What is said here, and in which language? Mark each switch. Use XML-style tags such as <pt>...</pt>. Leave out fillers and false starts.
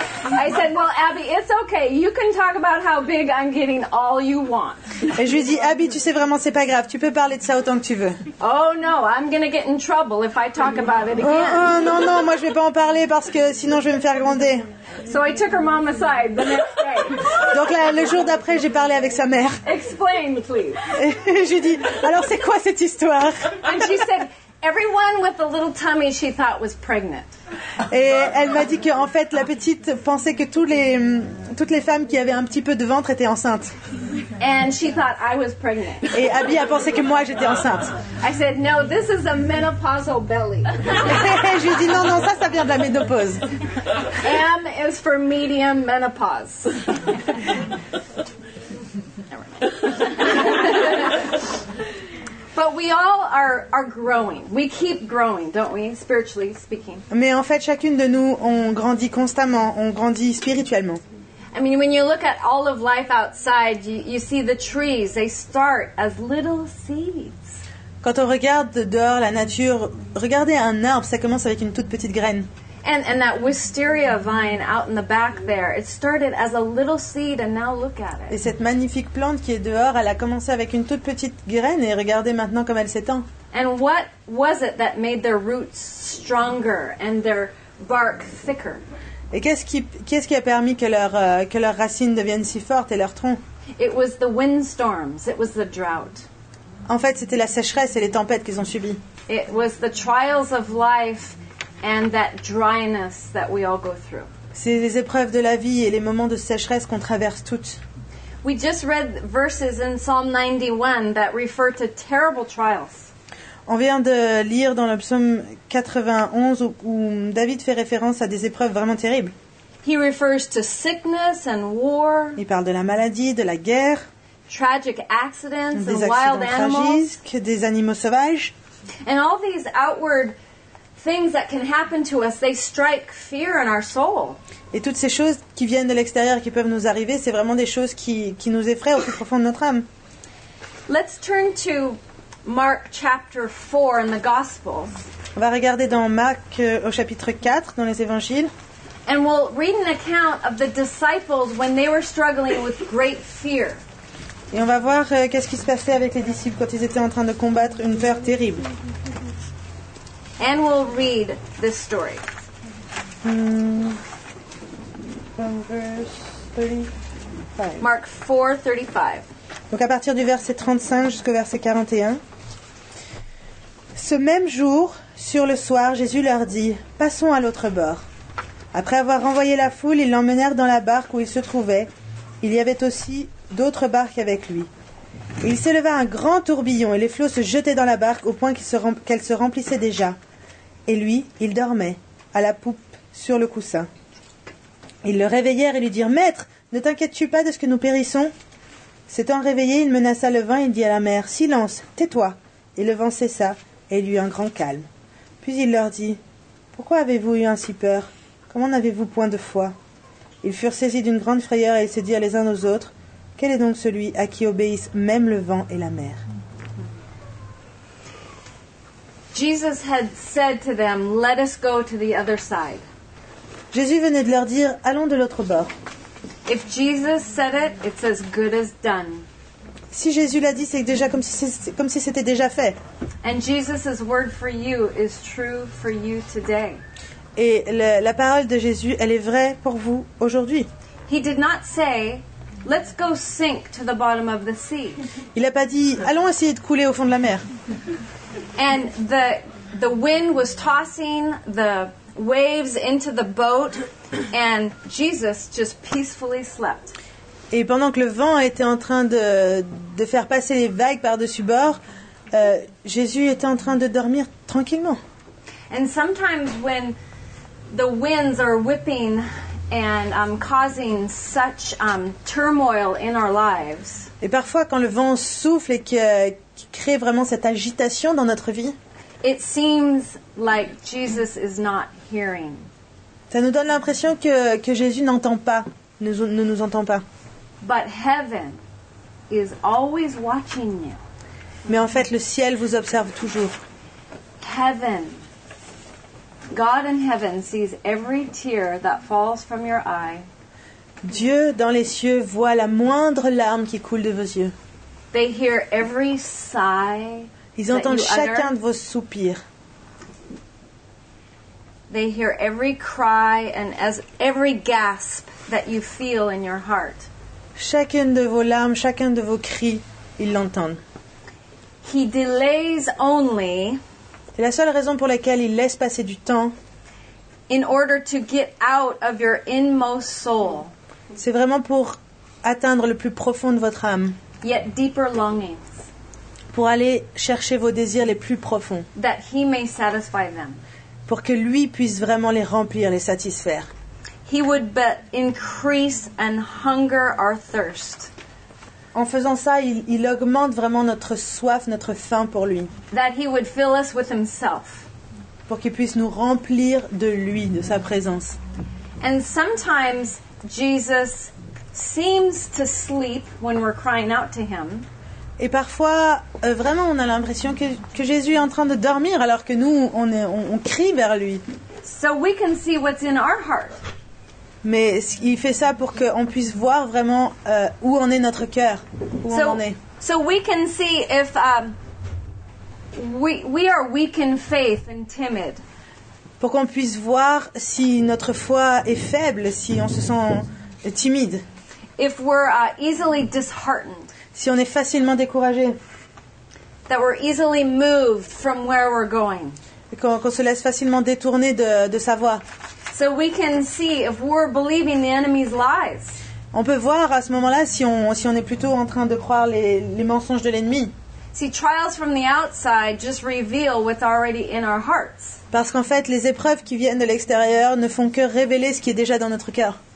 <en>I said, "Well, Abby, it's okay. You can talk about how big I'm getting all you want."</en> <fr>Et je lui dis, "Abby, tu sais vraiment, c'est pas grave. Tu peux parler de ça autant que tu veux."</fr> <en>"Oh no, I'm gonna get in trouble if I talk about it again."</en> <fr>Oh, non, non, moi je vais pas en parler parce que sinon je vais me faire gronder.</fr> <en>So I took her mom aside the next day.</en> <fr>Donc là, le jour d'après, j'ai parlé avec sa mère.</fr> <en>"Explain, please."</en> <fr>Et je lui dis, "Alors c'est quoi cette histoire?"</fr> <en>And she said, "Everyone with a little tummy she thought was pregnant."</en> <fr>Et elle m'a dit que en fait, la petite pensait que toutes les femmes qui avaient un petit peu de ventre étaient enceintes.</fr> <en>And she thought I was pregnant.</en> <fr>Et Abby a pensé que moi j'étais enceinte.</fr> <en>I said, "No, this is a menopausal belly."</en> <fr>Et je lui dis, "Non, non, ça vient de la ménopause."</fr> <en>M is for medium menopause. But we all are growing. We keep growing, don't we, spiritually speaking?</en> <fr>Mais en fait, chacune de nous, on grandit constamment, on grandit spirituellement.</fr> <en>I mean, when you look at all of life outside, you see the trees, they start as little seeds.</en> <fr>Quand on regarde dehors la nature, regardez un arbre, ça commence avec une toute petite graine.</fr> <en>And that wisteria vine out in the back there, it started as a little seed and now look at it.</en> <fr>Et cette magnifique plante qui est dehors, elle a commencé avec une toute petite graine et regardez maintenant comme elle s'étend.</fr> <en>And what was it that made their roots stronger and their bark thicker?</en> <fr>Et qu'est-ce qui a permis que leurs racines deviennent si fortes et leur tronc?</fr> <en>It was the windstorms, it was the drought.</en> <fr>En fait, c'était la sécheresse et les tempêtes qu'ils ont subies.</fr> <en>It was the trials of life and that dryness that we all go through.</en> <fr>C'est les épreuves de la vie et les moments de sécheresse qu'on traverse toutes.</fr> <en>We just read verses in Psalm 91 that refer to terrible trials.</en> <fr>On vient de lire dans le psaume 91 où David fait référence à des épreuves vraiment terribles.</fr> <en>He refers to sickness and war.</en> <fr>Il parle de la maladie, de la guerre.</fr> <en>Tragic accidents and</en> <fr>accidents</fr> <en>wild</en> <fr>tragiques,</fr> <en>animals.</en> <fr>Des animaux sauvages.</fr> <en>And all these outward things that can happen to us, they strike fear in our soul.</en> <fr>Et toutes ces choses qui viennent de l'extérieur qui peuvent nous arriver, c'est vraiment des choses qui nous effraient au plus profond de notre âme.</fr> <en>Let's turn to Mark chapter 4 in the Gospels.</en> <fr>On va regarder dans Marc au chapitre 4 dans les Évangiles.</fr> <en>And we'll read an account of the disciples when they were struggling with great fear.</en> <fr>Et on va voir qu'est-ce qui se passait avec les disciples quand ils étaient en train de combattre une peur terrible.</fr> <en>And we'll read this story. From verse 35. Mark 4:35.</en> <fr>Donc à partir du verset 35 jusqu'au verset 41. ce même jour, sur le soir, Jésus leur dit « Passons à l'autre bord ». Après avoir renvoyé la foule, ils l'emmenèrent dans la barque où il se trouvait. Il y avait aussi d'autres barques avec lui. Il s'éleva un grand tourbillon et les flots se jetaient dans la barque au point qu'elle se remplissait déjà. Et lui, il dormait, à la poupe, sur le coussin. Ils le réveillèrent et lui dirent « Maître, ne t'inquiètes-tu pas de ce que nous périssons ?» S'étant réveillé, il menaça le vent et il dit à la mer « Silence, tais-toi !» Et le vent cessa et il eut un grand calme. Puis il leur dit « Pourquoi avez-vous eu ainsi peur ? Comment n'avez-vous point de foi ?» Ils furent saisis d'une grande frayeur et ils se dirent les uns aux autres « Quel est donc celui à qui obéissent même le vent et la mer ?»</fr> <en>Jesus had said to them, "Let us go to the other side."</en> <fr>Jésus venait de leur dire, allons de l'autre bord.</fr> <en>If Jesus said it, it's as good as done.</en> <fr>Si Jésus l'a dit, c'est déjà comme si c'était déjà fait.</fr> <en>And Jesus's word for you is true for you today.</en> <fr>Et la parole de Jésus, elle est vraie pour vous aujourd'hui.</fr> <en>He did not say, "Let's go sink to the bottom of the sea."</en> <fr>Il a pas dit, allons essayer de couler au fond de la mer.</fr> <en>And the wind was tossing the waves into the boat, and Jesus just peacefully slept.</en> <fr>Et pendant que le vent était en train de faire passer les vagues par-dessus bord, Jésus était en train de dormir tranquillement.</fr> <en>And sometimes when the winds are whipping and causing such turmoil in our lives.</en> <fr>Et parfois quand le vent souffle et qui crée vraiment cette agitation dans notre vie.</fr> <en>It seems like Jesus is not hearing.</en> <fr>Ça nous donne l'impression que Jésus n'entend pas, ne nous entend pas.</fr> <en>But heaven is always watching you.</en> <fr>Mais en fait, le ciel vous observe toujours.</fr> <en>Heaven, God in heaven sees every tear that falls from your eye.</en> <fr>Dieu dans les cieux voit la moindre larme qui coule de vos yeux.</fr> <en>They hear every sigh.</en> <fr>Ils entendent chacun de vos soupirs.</fr> <en>They hear every cry and as every gasp that you feel in your heart.</en> <fr>Chacune de vos larmes, chacun de vos cris, ils l'entendent.</fr> <en>He delays only.</en> <fr>C'est la seule raison pour laquelle il laisse passer du temps.</fr> <en>In order to get out of your inmost soul.</en> <fr>C'est vraiment pour atteindre le plus profond de votre âme.</fr> <en>Yet deeper longings.</en> <fr>Pour aller chercher vos désirs les plus profonds.</fr> <en>That he may satisfy them.</en> <fr>Pour que lui puisse vraiment les remplir, les satisfaire.</fr> <en>He would but increase and hunger our thirst.</en> <fr>En faisant ça, il augmente vraiment notre soif, notre faim pour lui.</fr> <en>That he would fill us with himself.</en> <fr>Pour qu'il puisse nous remplir de lui, de sa présence.</fr> <en>And sometimes Jesus seems to sleep when we're crying out to him.</en> <fr>Et parfois, vraiment, on a l'impression que Jésus est en train de dormir alors que nous, on crie vers lui.</fr> <en>So we can see what's in our heart.</en> <fr>Mais il fait ça pour qu'on puisse voir vraiment où en est notre cœur, on en est.</fr> <en>So we can see if we are weak in faith and timid.</en> <fr>Pour qu'on puisse voir si notre foi est faible, si on se sent timide.</fr> <en>If we're easily disheartened.</en> <fr>Si on est facilement découragé.</fr> <en>That we're easily moved from where we're going.</en> <fr>Et qu'on se laisse facilement détourner de sa voie.</fr> <en>So we can see if we're believing the enemy's lies.</en> <fr>On peut voir à ce moment-là si on est plutôt en train de croire les mensonges de l'ennemi.</fr> <en>See, trials from the outside just reveal what's already in our hearts.</en> <fr>Parce qu'en fait, les épreuves qui viennent de l'extérieur ne font que révéler ce qui est déjà dans notre cœur.</fr>